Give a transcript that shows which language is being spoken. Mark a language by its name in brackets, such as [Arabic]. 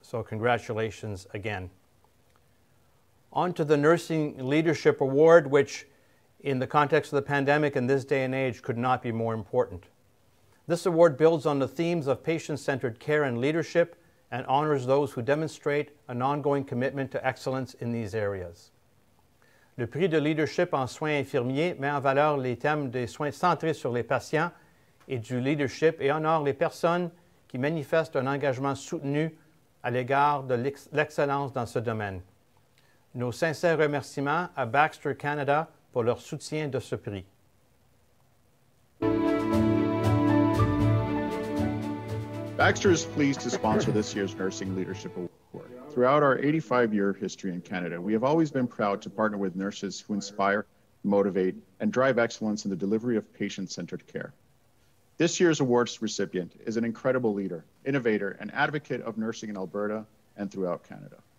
[English] So congratulations again. On to the Nursing Leadership Award, which in the context of the pandemic in this day and age could not be more important. This award builds on the themes of patient-centered care and leadership and honors those who demonstrate an ongoing commitment to excellence in these areas. [French] Le Prix de leadership en soins infirmiers met en valeur les thèmes des soins centrés sur les patients et du leadership et honore les personnes qui manifestent un engagement soutenu à l'égard de l'excellence dans ce domaine. Nos sincères remerciements à Baxter Canada pour leur soutien de ce prix. [English] Baxter is pleased to sponsor this year's Nursing Leadership Award. Throughout our 85-year history in Canada, we have always been proud to partner with nurses who inspire, motivate, and drive excellence in the delivery of patient-centered care. This year's awards recipient is an incredible leader, innovator, and advocate of nursing in Alberta and throughout Canada.